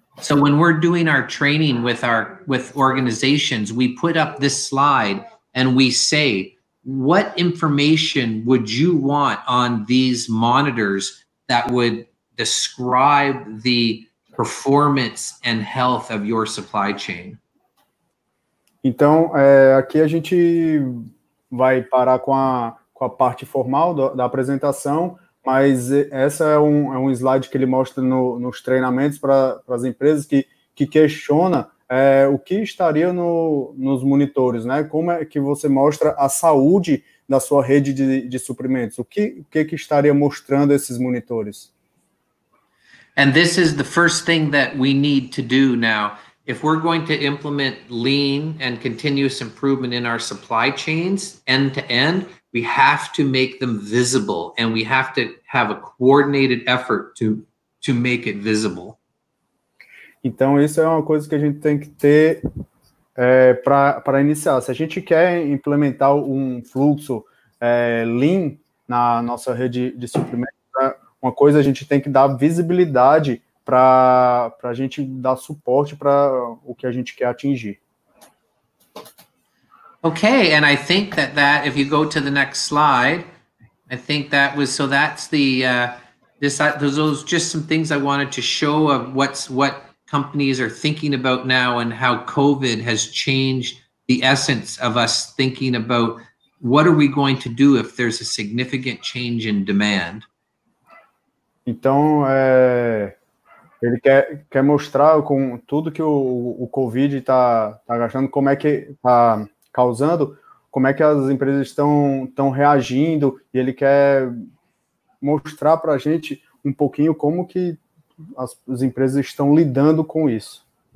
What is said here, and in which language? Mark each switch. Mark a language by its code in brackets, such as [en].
[en] So when we're doing our training with organizations, we put up this slide and we say, what information would you want on these monitors that would describe the performance and health of your supply chain? [pt] Então, aqui a gente vai parar com a parte formal da apresentação, mas essa é um slide que ele mostra nos treinamentos para as empresas que questiona o que estaria nos monitores, né? Como é que você mostra a saúde da sua rede de suprimentos? O que estaria mostrando esses monitores? [en] And this is the first thing that we need to do now. If we're going to implement lean and continuous improvement in our supply chains end to end, we have to make them visible and we have to have a coordinated effort to make it visible. [pt] Então, isso é uma coisa que a gente tem que ter para iniciar. Se a gente quer implementar um fluxo lean na nossa rede de suprimentos, uma coisa a gente tem que dar visibilidade para a gente dar suporte para o que a gente quer atingir. [en] Okay, and I think that if you go to the next slide, I think that was, so that's the, those just some things I wanted to show of what companies are thinking about now and how COVID has changed the essence of us thinking about what are we going to do if there's a significant change in demand. [pt] Então, ele quer mostrar com tudo que o COVID tá gastando, como é que tá causando, como é que as empresas estão reagindo, e ele quer mostrar para a gente um pouquinho como que as empresas estão lidando com isso.